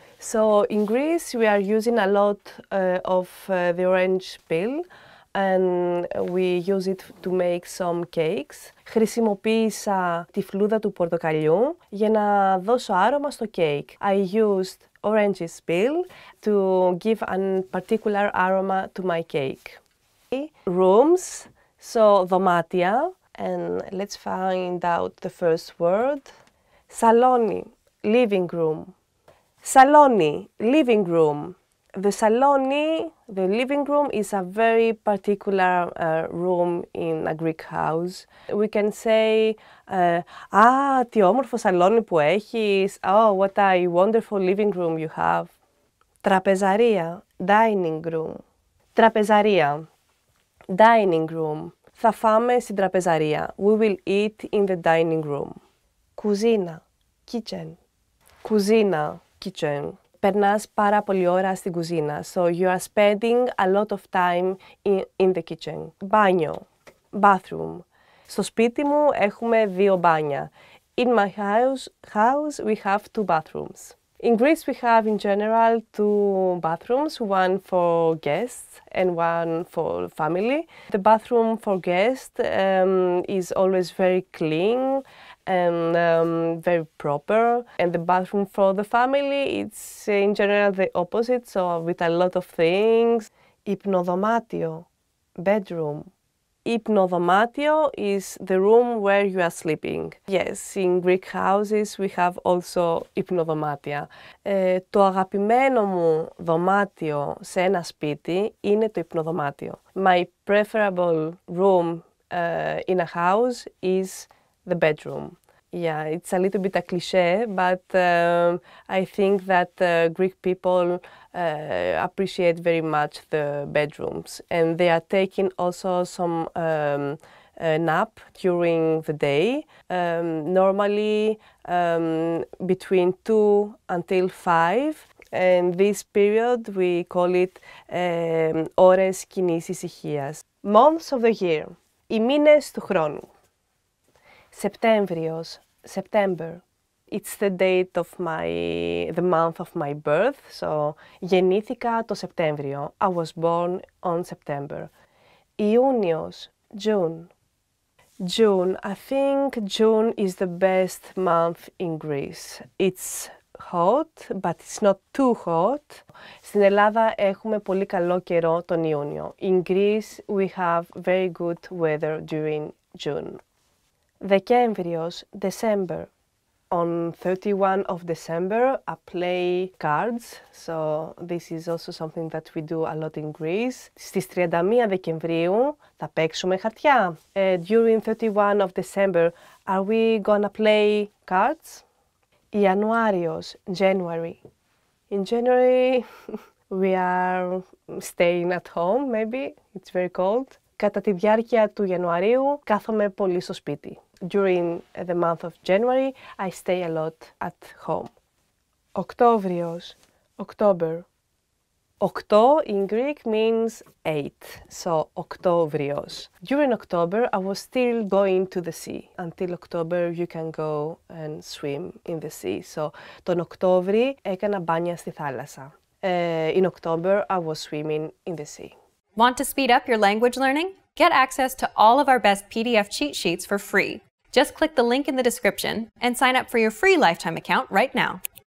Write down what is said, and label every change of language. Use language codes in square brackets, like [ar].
[en] So in Greece we are using a lot of the orange peel and we use it to make some cakes. [el] Χρησιμοποίησα τη φλούδα του πορτοκαλιού για να δώσω άρωμα στο cake. [en] I used orange peel to give a particular aroma to my cake. Rooms, so δωμάτια, and let's find out the first word. Σαλόνι, living room. Σαλόνι, living room. The σαλόνι, the living room, is a very particular room in a Greek house. We can say, ah, [el] τι όμορφο σαλόνι που έχεις. [en] Oh, what a wonderful living room you have. Τραπεζαρία, dining room. [el] Τραπεζαρία, dining room. Θα φάμε στην τραπεζαρία. [en] We will eat in the dining room. Κουζίνα, kitchen. Κουζίνα. Kitchen. [el] Περνάς πάρα πολύ ώρα στην κουζίνα. [en] So you are spending a lot of time in the kitchen. [el] Μπάνιο. Bathroom. Στο σπίτι μου έχουμε δύο μπάνια. [en] In my house we have two bathrooms. In Greece we have in general two bathrooms, one for guests and one for family. The bathroom for guests is always very clean and very proper, and the bathroom for the family, it's in general the opposite, so with a lot of things. Υπνοδωμάτιο, bedroom. Υπνοδωμάτιο is the room where you are sleeping. Yes, in Greek houses we have also υπνοδωμάτια. [el] Το αγαπημένο μου δωμάτιο σε ένα σπίτι είναι το υπνοδωμάτιο. [en] My preferable room in a house is the bedroom. Yeah, it's a little bit a cliché, but I think that Greek people appreciate very much the bedrooms, and they are taking also some nap during the day. Normally between 2 until 5, and this period we call it [el] ώρες κοινής ησυχίας. [en] Months of the year. [el] Οι μήνες του χρόνου. [en] Σεπτέμβριος, September. It's the date of the month of my birth, so [el] γεννήθηκα το Σεπτέμβριο. [en] I was born on September. Ιούνιος, June. June, I think June is the best month in Greece. It's hot, but it's not too hot. [el] Στην Ελλάδα έχουμε πολύ καλό καιρό τον Ιούνιο. [en] In Greece we have very good weather during June. Δεκέμβριος, December. On 31 of December, I play cards. So this is also something that we do a lot in Greece. [el] Στις 31 Δεκεμβρίου θα παίξουμε χαρτιά. [en] During 31 of December, are we gonna play cards? Ιανουάριος, January. In January, we are staying at home, maybe. It's very cold. [el] Κατά τη διάρκεια του Ιανουαρίου, κάθομαι πολύ στο σπίτι. [en] During the month of January, I stay a lot at home. Οκτώβριος, October. Οκτώ in Greek means 8, so Οκτώβριος. During October, I was still going to the sea. Until October, you can go and swim in the sea. [el] So, τον Οκτώβρη έκανα μπάνια στη θάλασσα. [en] In October, I was swimming in the sea. Want to speed up your language learning? Get access to all of our best PDF cheat sheets for free. Just click the link in the description and sign up for your free lifetime account right now.